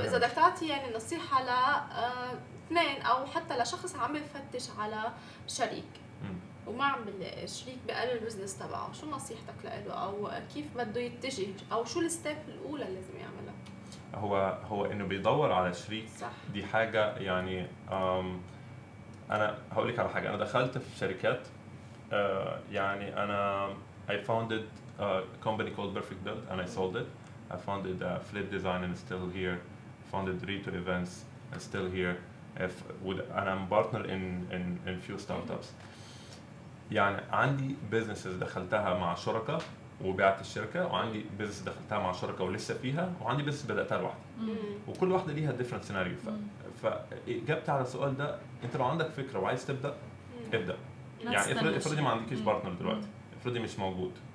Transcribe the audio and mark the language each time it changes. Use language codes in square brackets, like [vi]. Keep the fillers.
[ar] اذا بدك تعطي يعني نصيحه ل اه اثنين او حتى لشخص عم يفتش على شريك وما عم بلاقي شريك بقلل البزنس تبعه شو نصيحتك له او كيف بده يتجه او شو الستيب الاولى اللي لازم يعملها هو هو انه بيدور على شريك صح. دي حاجه يعني انا هقول لك على حاجه انا دخلت في شركات يعني انا [en] I founded a company called Perfect Build and I sold it. I founded a Flip Design and still here. founded Rito Events and still here. If would, and I'm partner in, in, in few startups. [ar] يعني عندي businesses دخلتها مع شركاء وبعت الشركه وعندي بزنس دخلتها مع شركه ولسه فيها وعندي بزنس بداتها لوحدي وكل واحده ليها ديفرنت سيناريو ف... فاجابتي على السؤال ده انت لو عندك فكره وعايز تبدا مم. ابدا يعني افرضي افرض ما عندكيش بارتنر دلوقتي افرضي مش موجود